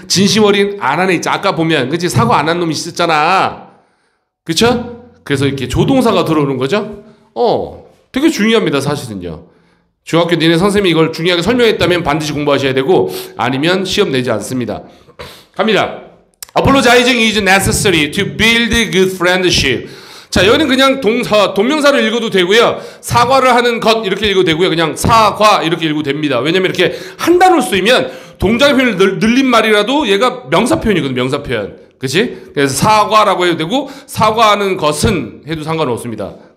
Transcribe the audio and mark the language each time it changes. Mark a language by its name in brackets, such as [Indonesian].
[Korean] 진심어린 안 안에 있지. 아까 보면, 그치? 사고 안 한 놈이 있었잖아. 그쵸? 그래서 이렇게 조동사가 들어오는 거죠? 어. 되게 중요합니다, 사실은요. 중학교 니네 선생님이 이걸 중요하게 설명했다면 반드시 공부하셔야 되고, 아니면 시험 내지 않습니다. 갑니다. [English] Apologizing is necessary to build good friendship. [Korean] 자, 여기는 그냥 동사, 동명사를 읽어도 되고요. 사과를 하는 것 이렇게 읽어도 되고요. 그냥 사과 이렇게 읽어도 됩니다. 왜냐면 이렇게 한 단어 쓰이면 동작의 표현을 늘린 말이라도 얘가 명사 표현이거든요. 명사 표현. 그치? 그래서 사과라고 해도 되고, 사과하는 것은 해도 상관없습니다.